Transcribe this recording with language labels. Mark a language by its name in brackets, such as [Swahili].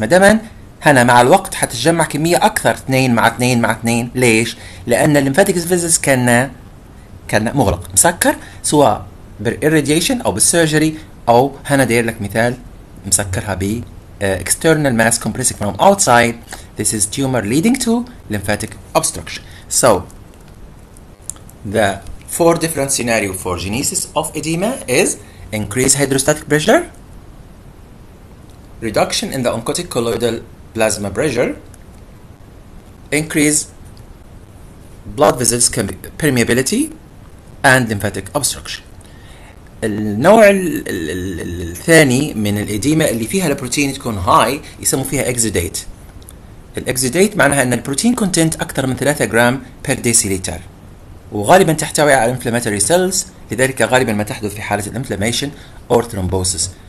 [Arabic] مدام هنا مع الوقت حتتجمع كمية أكثر، اثنين مع اثنين مع اثنين. ليش؟ لأن الليمفاتكس فيزلز كان مغلق مسكر سواء بالإيراديشن أو بالسيرجري، أو هنا دير لك مثال مسكرها ب [English] external mass compressing from outside. This is tumor leading to lymphatic obstruction. So the four different scenario for genesis of edema is increased hydrostatic pressure, reduction in the oncotic colloidal plasma pressure, increased blood vessels permeability and lymphatic obstruction. [Arabic] النوع الثاني من الإديمة اللي فيها البروتين تكون هاي يسموا فيها اكزيديت. الاكزيديت معناها ان البروتين كونتنت اكثر من 3 جرام بير ديسيليتر، وغالبا تحتوي على inflammatory cells، لذلك غالبا ما تحدث في حالة [English] inflammation or thrombosis.